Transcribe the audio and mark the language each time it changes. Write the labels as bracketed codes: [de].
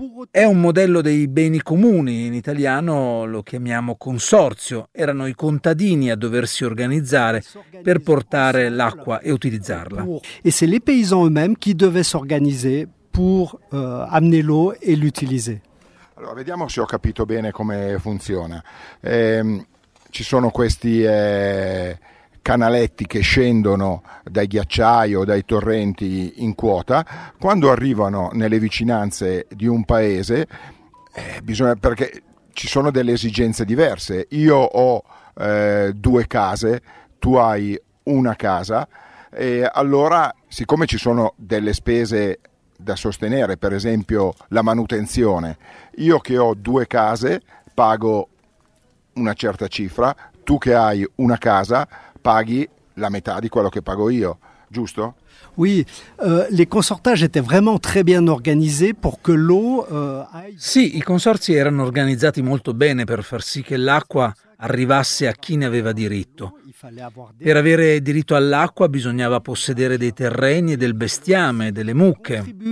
[it] È un modello dei beni comuni, in italiano lo chiamiamo consorzio. Erano i contadini a doversi organizzare per portare l'acqua e utilizzarla. [fr] E c'est les paysans eux-mêmes qui devaient s'organiser pour amener l'eau et l'utiliser. [it] Allora, vediamo se ho capito bene come funziona. Ci sono questi canaletti che scendono dai ghiacciai o dai torrenti in quota. Quando arrivano nelle vicinanze di un paese, bisogna, perché ci sono delle esigenze diverse. Io ho due case, tu hai una casa, e allora, siccome ci sono delle spese da sostenere, per esempio la manutenzione, io che ho due case pago una certa cifra, tu che hai una casa paghi la metà di quello che pago io, giusto? [fr] Oui, les consortages étaient vraiment très bien organisés pour que l'eau aille. [it] Sì, i consorzi erano organizzati molto bene per far sì che l'acqua arrivasse a chi ne aveva diritto. Per avere diritto all'acqua bisognava possedere dei terreni e del bestiame, delle mucche.